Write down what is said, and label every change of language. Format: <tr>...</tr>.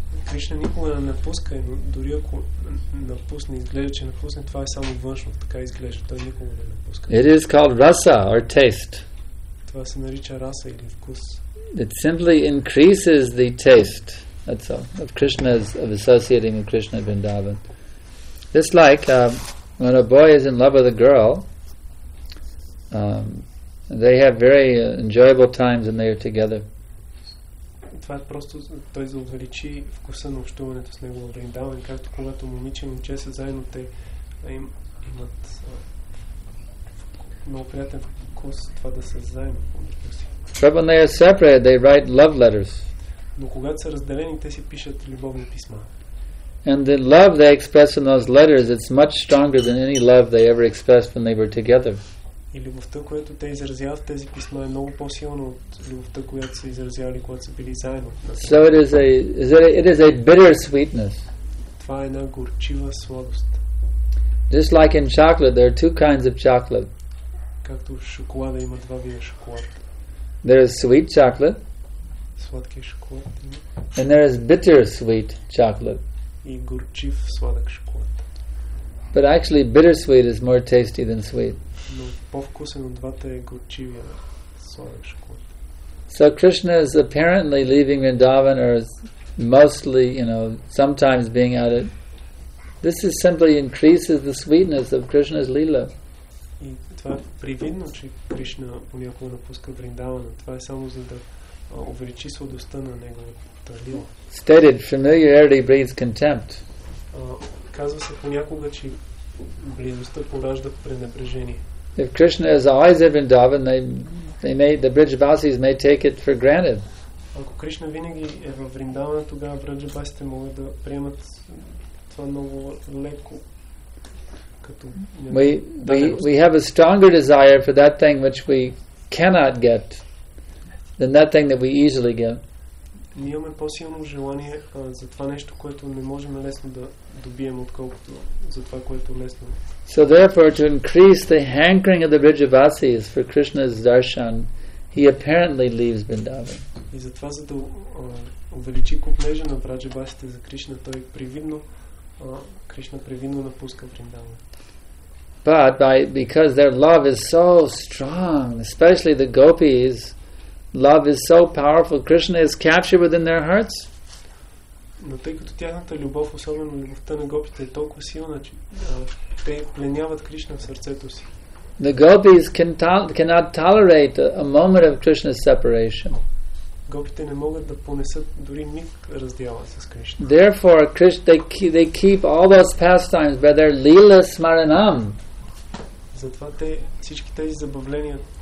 <bg>Кришна никога не напуска, но дори ако напусне, изглежда, че напусне, това е само външно, така изглежда. Той никога не напуска.</bg> <en>It is called rasa or taste.</en> <bg>Това се нарича раса или вкус.</bg> <en>It simply increases the taste, that's all, of Krishna's, of associating with Krishna Vrindavan. Just like when a boy is in love with a girl, they have very enjoyable times when they are together.</en> <bg>Това е просто той за увеличи вкуса на общуването с него в Вриндаван, както когато момиче и момче са заедно, те имат много приятен вкус това да са заедно.</bg> <en>When they are separate, they write love letters.</en> <bg>Но когато са разделени, те си пишат любовни писма.</bg> <en>And the love they express in those letters, it's much stronger than any love they ever expressed when they were together.</en> <bg>И любовта, която те изразяват в тези писма, е много по-силна от любовта, която са изразявали, когато са били заедно.</bg> <en>So it is a bitter sweetness.</en> <bg>Това е една горчива сладост.</bg> <en>Just like in chocolate, there are two kinds of chocolate.</en> <bg>Както в шоколада има два вида шоколад.</bg> <en>There is sweet chocolate.</en> <bg>Сладки шоколад.</bg> <en>And there is bitter sweet chocolate.</en> <bg>И горчив сладък шоколад.</bg> <en>But actually, bittersweet is more tasty than sweet.</en> <bg>Но по-вкусен от двата е горчивия сладък шоколад.</bg> <en>So Krishna is apparently leaving Vrindavan, or is mostly, you know, sometimes being at it. This is simply increases the sweetness of Krishna's lila.</en> <bg>И това е привидно, че Кришна понякога напуска Вриндавана. Това е само за да увеличи сладостта на неговата лила.</bg> <en>Stated, familiarity breeds contempt.</en> <bg>Казва се понякога, че близостта поражда пренебрежение.</bg> <en>If Krishna is always in Vrindavan, the Brijavasis may take it for granted.</en> <bg>Ако Кришна винаги е в Вриндавана, тогава Брижавасите могат да приемат това много леко.</bg> <en>We have a stronger desire for that thing which we cannot get than that thing that we easily get.</en> <bg>Ние имаме по-силно желание за това нещо, което не можем лесно да добием, отколкото за това, което лесно.</bg> <en>So therefore, to increase the hankering of the Vrijavasis for Krishna's darshan, he apparently leaves Vrindavan.</en> <bg>И затова, за да увеличи купнежа на Vrijavasis за Кришна, той привидно, Кришна привидно напуска Vrindavan.</bg> <en>But because their love is so strong, especially the gopis, love is so powerful. Krishna is captured within their hearts.</en> <bg>Но тъй като тяхната любов, особено любовта на гопите, е толкова силна, че те пленяват Кришна в сърцето си.</bg> <en>The gopis cannot tolerate a moment of Krishna's separation.</en> <bg>Гопите не могат да понесат дори миг раздяла с Кришна.</bg> <en>Therefore, they keep all those pastimes by their lila smaranam.</en> <bg>Затова те всички тези забавления</bg>